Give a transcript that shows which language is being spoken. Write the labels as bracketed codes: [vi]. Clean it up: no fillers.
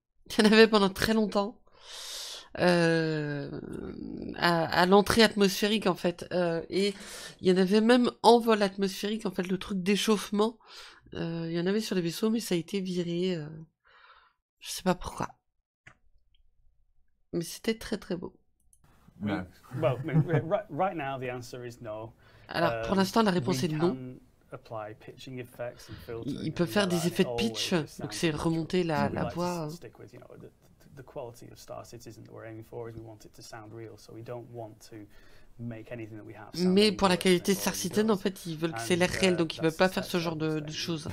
[fr] Il y en avait pendant très longtemps. À l'entrée atmosphérique, en fait. Et il y en avait même en vol atmosphérique, en fait, le truc d'échauffement. Il y en avait sur les vaisseaux, mais ça a été viré. Je sais pas pourquoi. Mais c'était très très beau. [en] No. Well, right now the answer is no. [fr] Alors, pour l'instant, la réponse est non. [en] Apply pitching effects and filtering. [fr] Il peut faire des effets de pitch, donc c'est remonter la voix. [en] The quality of Star Citizen that we're aiming for is we want it to sound real, so we don't want to make anything that we have. [fr] Mais pour la qualité de Star Citizen, en fait, ils veulent que c'est l'air réel, donc ils veulent pas faire ce genre de choses.